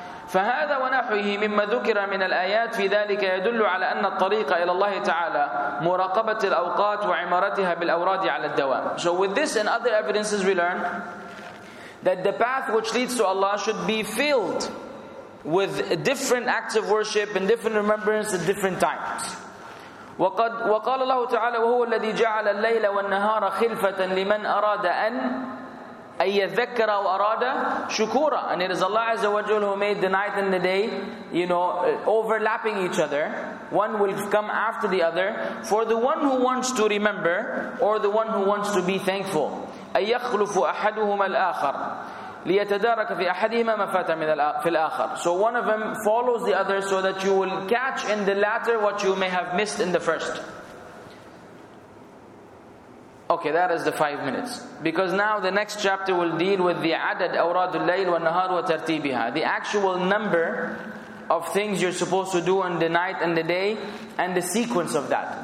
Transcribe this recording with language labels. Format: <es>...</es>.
<ar>فَهَذَا وَنَحْوِهِ مِمَّا ذُكِرَ مِنَ الْآيَاتِ فِي ذَلِكَ يَدُلُّ عَلَى أَنَّ الطَّرِيقَ إِلَى اللَّهِ تَعَالَى مُرَقَبَةِ الْأَوْقَاتِ وَعِمَارَتِهَا بِالْأَوْرَادِ عَلَى الدَّوَامِ.</ar> <en>So with this and other evidences we learn, that the path which leads to Allah should be filled with different acts of worship and different remembrance at different times.</en> <ar>وقال الله تعالى وهو الذي جعل الليل والنهار خلفة لمن أراد أن يذكر وأراد شكورا.</ar> <en>And it is Allah Azza wa Jalla who made the night and the day, you know, overlapping each other. One will come after the other for the one who wants to remember or the one who wants to be thankful.</en> <ar>أيخلف أحدهما الآخر ليتدارك في أحدهما ما فات من الآخر.</ar> <en>So one of them follows the other so that you will catch in the latter what you may have missed in the first. Okay, that is the 5 minutes. Because now the next chapter will deal with the</en> <ar>عدد أوراد الليل والنهار وترتيبها,</ar> <en>the actual number of things you're supposed to do in the night and the day and the sequence of that.</en>